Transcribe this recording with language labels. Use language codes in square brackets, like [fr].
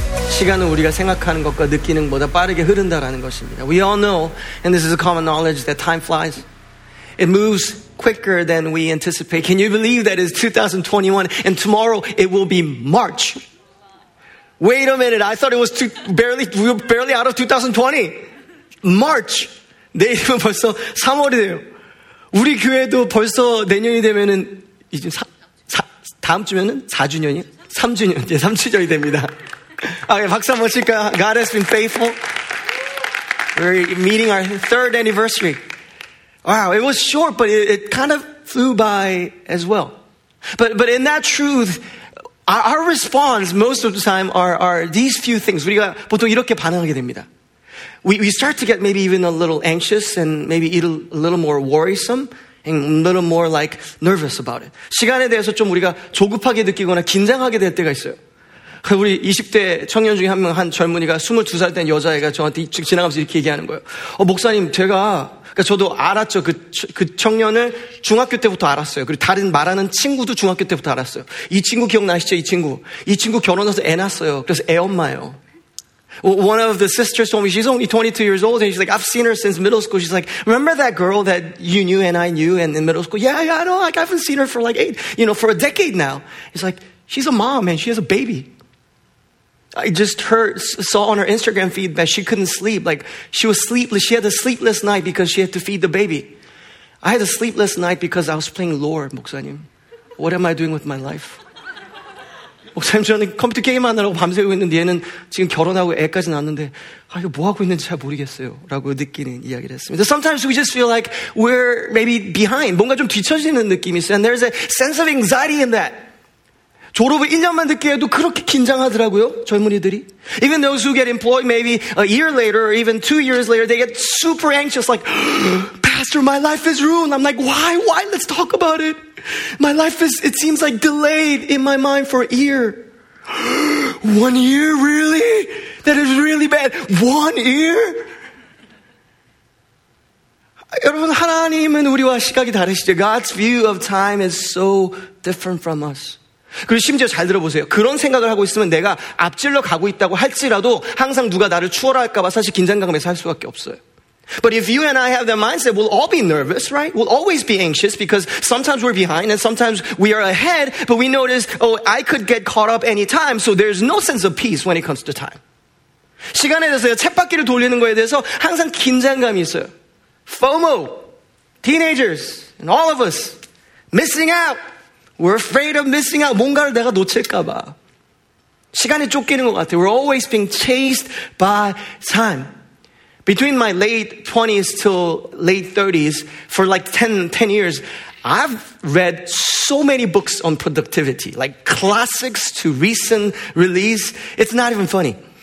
[ko] 시간은 우리가 생각하는 것과 느끼는 것보다 빠르게 흐른다라는 것입니다. [en] We all know, and this is a common knowledge, that time flies. It moves quicker than we anticipate. Can you believe that it's 2021 and tomorrow it will be March? Wait a minute, I thought it was we were barely out of 2020. March! [ko] 내일은 벌써 3월이에요. 우리 교회도 벌써 내년이 되면은 이제 다음 주면은 4주년이요? 3주년, 이제 3주년이 됩니다. 아, 예, 박수 한번 칠까요? [en] God has been faithful. We're meeting our third anniversary. Wow, it was short, but it kind of flew by as well. But in that truth, our response most of the time are these few things. [ko] 우리가 보통 이렇게 반응하게 됩니다. [en] We start to get maybe even a little anxious and maybe a little more worrisome and a little more like nervous about it. [ko] 시간에 대해서 좀 우리가 조급하게 느끼거나 긴장하게 될 때가 있어요. 우리 20대 청년 중에 한 젊은이가 22살 된 여자애가 저한테 지나가면서 이렇게 얘기하는 거예요. 목사님, 제가, 그러니까 저도 알았죠. 그 청년을 중학교 때부터 알았어요. 그리고 다른 말하는 친구도 중학교 때부터 알았어요. 이 친구 기억나시죠? 이 친구. 이 친구 결혼해서 애 낳았어요. 그래서 애 엄마예요. [en] One of the sisters told me she's only 22 years old and she's like, I've seen her since middle school. She's like, remember that girl that you knew and I knew and in middle school? Yeah, I know. Like, I haven't seen her for like for a decade now. It's like, she's a mom and she has a baby. I just heard, saw on her Instagram feed that she couldn't sleep. Like, she was sleepless. She had a sleepless night because she had to feed the baby. I had a sleepless night because I was playing Lord, 목사님. What am I doing with my life? [ko] 목사님, 저는 컴퓨터 게임하느라고 밤새우고 있는데 얘는 지금 결혼하고 애까지 낳았는데 아, 이거 뭐하고 있는지 잘 모르겠어요 라고 느끼는 이야기를 했습니다. [en] Sometimes we just feel like we're maybe behind. [ko] 뭔가 좀 뒤처지는 느낌이 있어요. [en] And there's a sense of anxiety in that. [ko] 졸업을 1년만 늦게 해도 그렇게 긴장하더라고요, 젊은이들이. [en] Even those who get employed maybe a year later or even 2 years later, they get super anxious, like, Pastor, my life is ruined. I'm like, why? Let's talk about it. My life is, it seems like delayed in my mind for a year. 1 year, really? That is really bad. 1 year? [ko] 여러분, 하나님은 우리와 시각이 다르시죠. [en] God's view of time is so different from us. [ko] 그리고 심지어 잘 들어보세요. 그런 생각을 하고 있으면 내가 앞질러 가고 있다고 할지라도 항상 누가 나를 추월할까봐 사실 긴장감에서 할 수밖에 없어요. [en] But if you and I have that mindset, we'll all be nervous, right? We'll always be anxious because sometimes we're behind and sometimes we are ahead, but we notice, oh, I could get caught up anytime, so there's no sense of peace when it comes to time. [ko] 시간에 대해서, 쳇바퀴를 돌리는 거에 대해서 항상 긴장감이 있어요. [en] FOMO, teenagers, and all of us, missing out. We're afraid of missing out. [ko] 뭔가를 내가 놓칠까봐. 시간이 쫓기는 것 같아요. [en] We're always being chased by time. Between my late 20s till late 30s, for like 10 years, I've read so many books on productivity, like classics to recent release. It's not even funny.